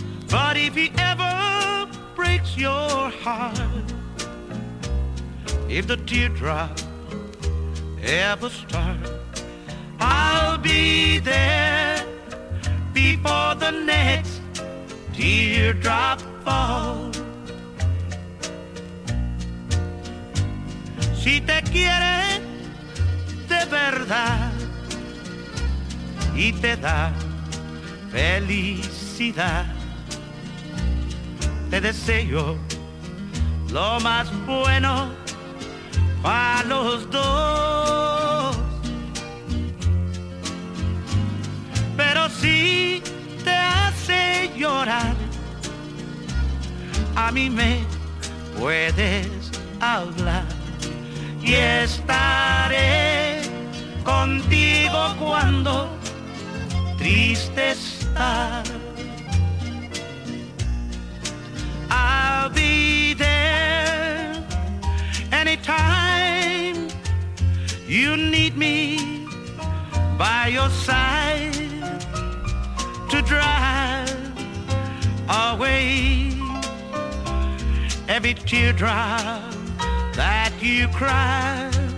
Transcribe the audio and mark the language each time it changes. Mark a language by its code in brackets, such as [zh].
[en] But if he ever breaks your heart, if the teardrop ever starts, I'll be there before the next teardrop falls. [es] Si te quieres de verdad y te da felicidad, te deseo lo más bueno para los dos. Pero si te hace llorar, a mí me puedes hablar y estaré contigo. contigo cuando triste está. [en] I'll be there anytime you need me by your side to drive away every teardrop that you cry.